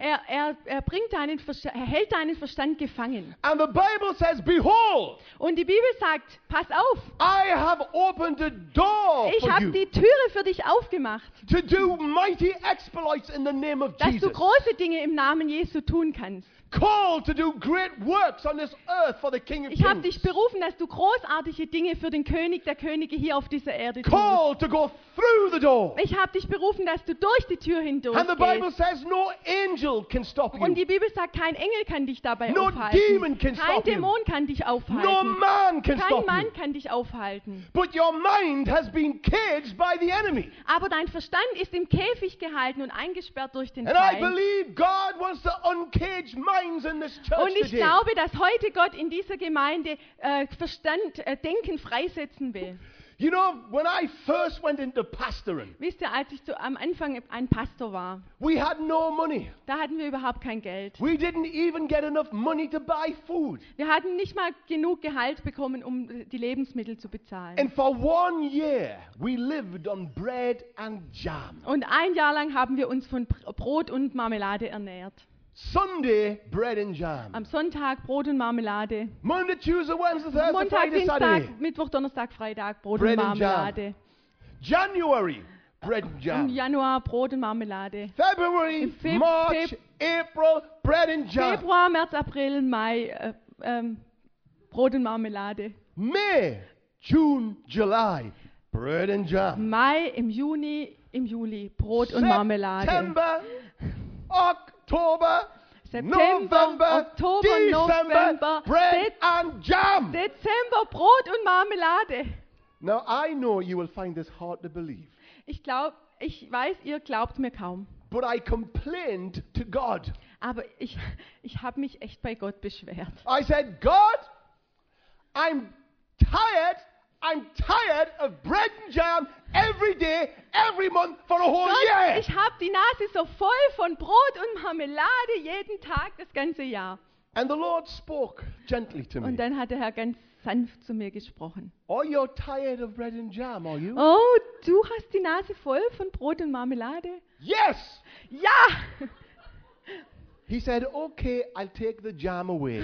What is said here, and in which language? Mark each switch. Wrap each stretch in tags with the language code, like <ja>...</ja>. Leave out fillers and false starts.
<de>Er hält deinen Verstand gefangen.</de> <en>And the Bible says, behold.</en> <de>Und die Bibel sagt, pass auf.</de> <en>I have opened the door for you.</en> <de>Ich habe die Türe für dich aufgemacht.</de> <en>To do mighty exploits in the name of Jesus.</en> <de>Dass du große Dinge im Namen Jesu tun kannst.</de> <en>Called to do great works on this earth for the King of Kings.</en> <de>Ich habe dich berufen, dass du großartige Dinge für den König der Könige hier auf dieser Erde tust.</de> <en>Called to go through the door.</en> <de>Ich habe dich berufen, dass du durch die Tür hindurchgehst.</de> <en>And the Bible says no angel can stop you.</en> <de>Und die Bibel sagt, kein Engel kann dich dabei</de> <en>no</en> <de>aufhalten.</de> <en>Demon can stop</en> <de>kein Dämon kann dich aufhalten.</de> <en>No man can</en> <de>kein</de> <en>stop</en> <de>Mann</de> <en>you.</en> <de>Kann dich aufhalten.</de> <en>But your mind has been caged by the enemy.</en> <de>Aber dein Verstand ist im Käfig gehalten und eingesperrt durch den</de> <en>and</en> <de>Feind.</de> <en>I believe God wants to uncage mind.</en> <de>Und ich glaube, dass heute Gott in dieser Gemeinde Verstand, Denken freisetzen will.</de> <en>You know, when I first went into pastoring,</en> <de>wisst ihr, als ich am Anfang ein Pastor war,</de> <en>we had no money.</en> <de>Da hatten wir überhaupt kein Geld.</de> <en>We didn't even get enough money to buy food.</en> <de>Wir hatten nicht mal genug Gehalt bekommen, um die Lebensmittel zu bezahlen.</de> <en>And for 1 year, we lived on bread and jam.</en> <de>Und ein Jahr lang haben wir uns von Brot und Marmelade ernährt.</de> <en>Sunday, bread and jam.</en> <de>Am Sonntag Brot und Marmelade.</de> <en>Monday, Tuesday, Wednesday, Thursday,</en> <de>Montag,</de> <en>Friday,</en> <de>Dienstag,</de> <en>Saturday.</en> <de>Mittwoch, Donnerstag, Freitag Brot</de> <en>bread</en> <de>und Marmelade.</de> <en>And jam. January, bread and jam.</en> <de>Im Januar Brot und Marmelade.</de> <en>February, March, April, bread and jam.</en> <de>Februar, März, April, Mai Brot und Marmelade.</de> <en>May, June, July, bread and jam.</en> <de>Mai im Juni im Juli Brot und Marmelade.</de> <en>September, Oktober,</en> <de>September, Oktober, November,</de> <en>Bread and Jam.</en> <de>Dezember Brot und Marmelade.</de> <en>Now I know you will find this hard to believe.</en> <de>Ich glaube, ich weiß, ihr glaubt mir kaum.</de> <en>But I complained to God.</en> <de>Aber ich habe mich echt bei Gott beschwert.</de> <en>I said, God, I'm tired of bread and jam every day, every month for a whole</en> <de>Gott,</de> <en>year.</en> <de>Ich habe die Nase so voll von Brot und Marmelade jeden Tag das ganze Jahr.</de> <en>And the Lord spoke gently to me.</en> <de>Und dann hat der Herr ganz sanft zu mir gesprochen.</de> <en>Oh, you're tired of bread and jam, are you?</en> <de>Oh, du hast die Nase voll von Brot und Marmelade?</de> <en>Yes.</en> <de>Ja.</de> <en>He said, okay, I'll take the jam away.</en>